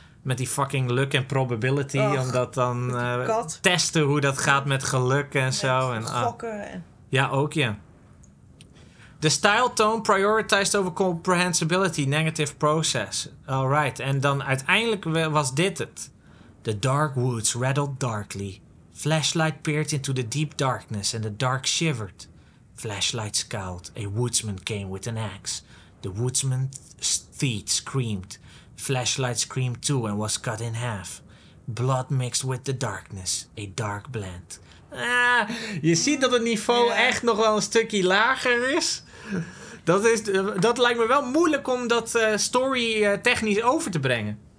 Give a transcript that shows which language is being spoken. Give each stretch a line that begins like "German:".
Dutch: Met die fucking luck en probability. Och, omdat dan testen hoe dat gaat met geluk en zo. En gokken. Ja, ook ja.
English: The style tone prioritized over comprehensibility. Negative process. All right.
Dutch: En dan uiteindelijk was dit het.
English: The dark woods rattled darkly. Flashlight peered into the deep darkness and the dark shivered. Flashlight scowled. A woodsman came with an axe. The woodsman's teeth screamed. Flashlight screamed too and was cut in half. Blood mixed with the darkness. A dark blend.
Dutch: Ah, je ziet dat het niveau echt nog wel een stukje lager is. Dat lijkt me wel moeilijk om dat story technisch over te brengen.